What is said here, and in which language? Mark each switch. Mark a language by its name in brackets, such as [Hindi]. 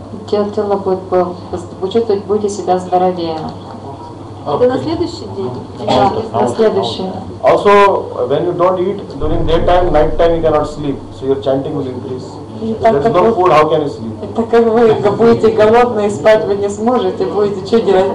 [Russian] Тело будет, вы чувствуете, будете себя здоровее. Это на следующий день? Да, на следующий. [English] Also, when you don't eat, during daytime, night time you cannot sleep. So your chanting will increase. [Russian] Так как вы будете голодны и спать вы не сможете, будете что делать?